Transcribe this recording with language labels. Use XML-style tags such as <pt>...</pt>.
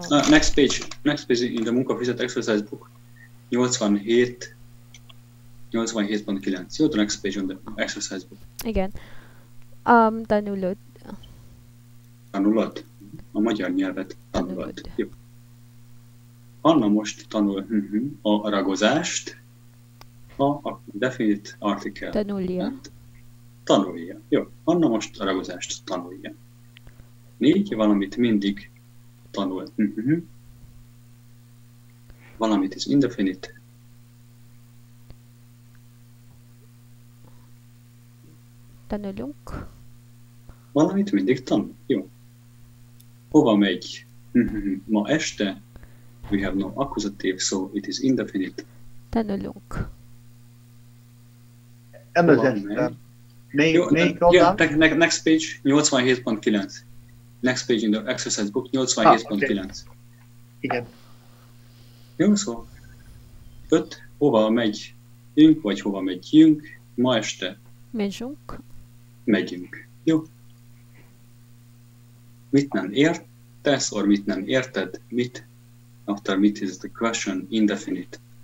<en>Next page in the munkafizet exercise book. 87.9.</en> <hu>Jó,</hu> <en>the next page on the exercise book.</en> <hu>Igen. Tanulod. Tanulod? A magyar nyelvet tanulod. Jó. Anna most tanul a ragozást.</hu> <en>a definite article.</en> <hu>Tanulja. Tanulja. Jó, Anna most a ragozást tanulja. Négy, valamit mindig tanul.</hu> <en>Valamit is indefinite.</en> <hu>Tanulunk. Valamit mindig tanul. Jó. Hova megy? Ma este?</hu> <en>We have no accusative, so it is indefinite.</en> <hu>Tanulunk. Emelzett. Jó,</hu> <en>next page, 87.9. Next page in the exercise book, 87.9. Okay.</en> <hu>Igen. Jó, szó. Öt, hova megyünk, vagy hova megyünk ma este? Megyünk. Megyünk. Jó. Mit nem értesz,</hu> <en>or</en> <hu>mit nem érted, mit,</hu> <en>after mit is the question, indefinite.</en>